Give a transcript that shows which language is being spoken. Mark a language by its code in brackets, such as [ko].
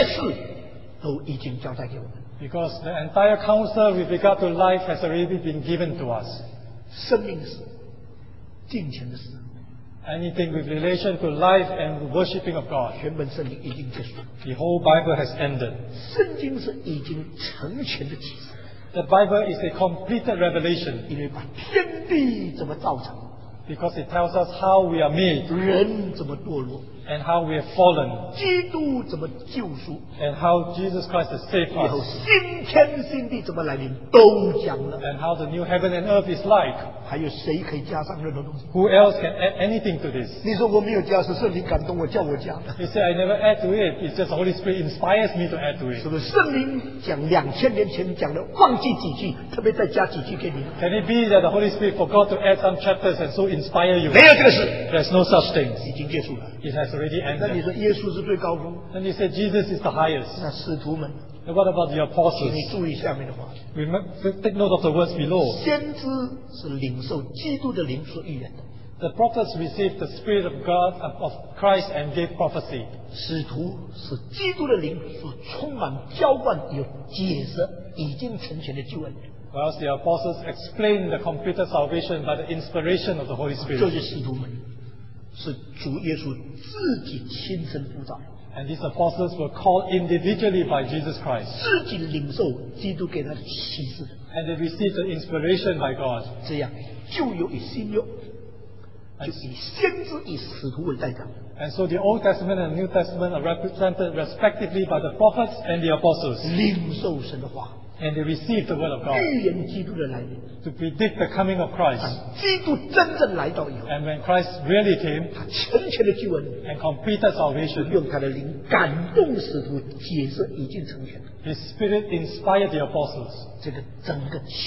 [zh] 关乎生命同金钱的一切事都已经交代给我们, [en] because the entire counsel with regard to life has already been given to us. [zh] 生命是, 金钱的事, [en] anything with relation to life and worshipping of God, [zh] 全本圣经已经结束, [en] the whole Bible has ended. [zh] 圣经是已经成全的启示, [en] the Bible is a completed revelation, [zh] 因为把天地怎么造成, [en] because it tells us how we are made, [zh] 人怎么堕落, [en] and how we have fallen, [zh] 基督怎么救赎, [en] and how Jesus Christ has saved us, [zh] 以后新天新地怎么来临, 都讲了, [en] and how the new heaven and earth is like. [zh] 还有谁可以加上任何东西? [en] Who else can add anything to this? [zh] 你说我没有加, 是圣灵感动我叫我加的, [en] you say I never add to it, it's just the Holy Spirit inspires me to add to it. [zh] 是不是? 圣灵讲2000年前讲的忘记几句, 特别再加几句给你, [en] can it be that the Holy Spirit forgot to add some chapters and so inspire you? [zh] 没有这个事, [en] there's no such thing. [zh] 已经结束了, [en] it has already ended. [zh] 那你说耶稣是最高峰, [en] then you say Jesus is the highest. [zh] 那使徒们, [en] what about the apostles? [zh] 请你注意下面的话, [en] remember, take note of the words below. [zh] 先知是领受基督的灵所预言的, [en] the prophets received the spirit of God of Christ and gave prophecy. [zh] 使徒是基督的灵所充满浇灌有解释已经成全的救恩, [en] Whereas the apostles explain the completed salvation by the inspiration of the Holy Spirit. [zh] 这些信徒们是主耶稣自己亲身布道。 [en] And these apostles were called individually by Jesus Christ. [zh] 自己领受基督给他的启示。 [en] And they received the inspiration by God. [zh] 这样旧约与新约就以先知与使徒为代表。 [en] And so the Old Testament and the New Testament are represented respectively by the prophets and the apostles. [zh] 领受神的话。 [en] And they received the word of God. [zh] 预言基督的来临。 [en] To predict the coming of Christ. [zh] 基督真正来到以后, [en] and when Christ really came, [zh] 他成全了救恩, [en] and completed salvation, [zh] 用他的灵感动使徒解释已经成全, [en] His Spirit inspired the apostles.